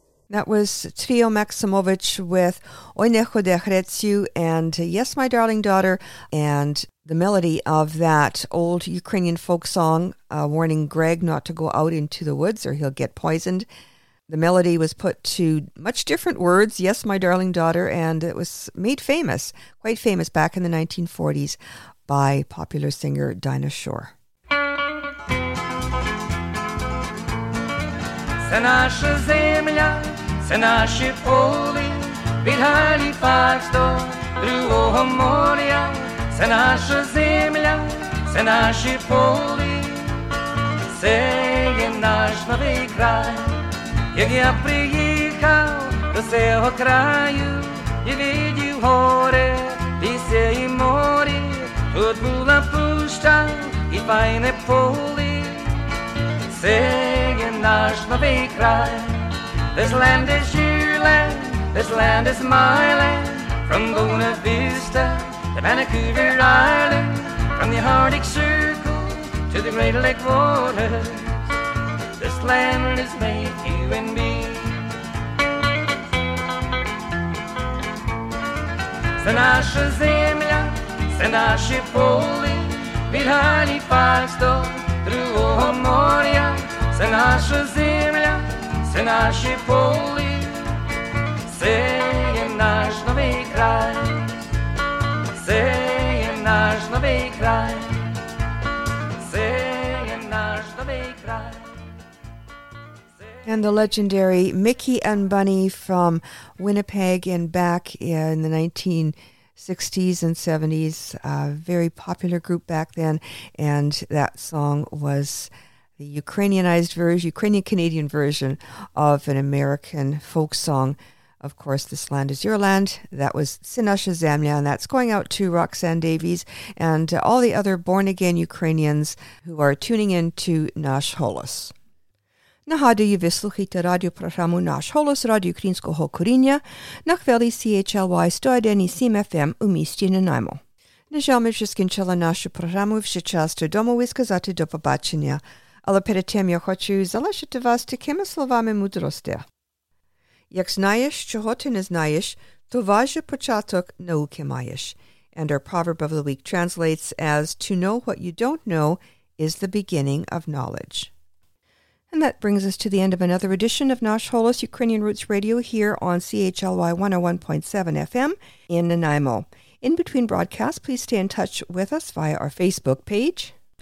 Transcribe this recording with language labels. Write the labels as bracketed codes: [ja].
[en] That was Trio Maksimovich with Oj neho de hretsu and Yes, My Darling Daughter, and the melody of that old Ukrainian folk song, warning Greg not to go out into the woods or he'll get poisoned. The melody was put to much different words, Yes, My Darling Daughter, and it was made famous, quite famous, back in the 1940s by popular singer Dinah Shore. [uk] Це наша земля, це наші полі, від Галіфакс до другого моря. Це наша земля, це наші полі, це є наш новий край. Як я приїхав до цього краю і видів горе, лісі і морі, тут була пуща і файне полі. Це є наш новий край. [en] This land is your land, this land is my land. From Buena Vista to Vancouver Island, from the Arctic Circle to the Great Lake waters, this land is made for you and me. [uk] Це наша земля, це наші полі, від Галіфакс до другого моря. Це наша земля, це наші полі, це є наш новий край, це є наш новий край, це є наш новий край. [en] And the legendary Mickey and Bunny from Winnipeg, and back in the 1960s and 70s, a very popular group back then, and that song was the Ukrainianized version, Ukrainian-Canadian version of an American folk song. Of course, This Land is Your Land. That was Sinasha Zamya, and that's going out to Roxanne Davies and all the other born-again Ukrainians who are tuning in to Nash Holos. [uk] Нагадую, ви слухаєте радіопрограму «Наш голос» Радіо Українського коріння на хвилі CHLY 101.7 FM у місті Нанаймо. На жаль, ми вже скінчили нашу програму, вже час додому і сказати до побачення. Але перед тим я хочу залишити вас такими словами мудрості. Як знаєш, чого ти не знаєш, то важе початок науки маєш. [en] And our proverb of the week translates as, to know what you don't know is the beginning of knowledge. And that brings us to the end of another edition of Nash Holos Ukrainian Roots Radio here on CHLY 101.7 FM in Nanaimo. In between broadcasts, please stay in touch with us via our Facebook page.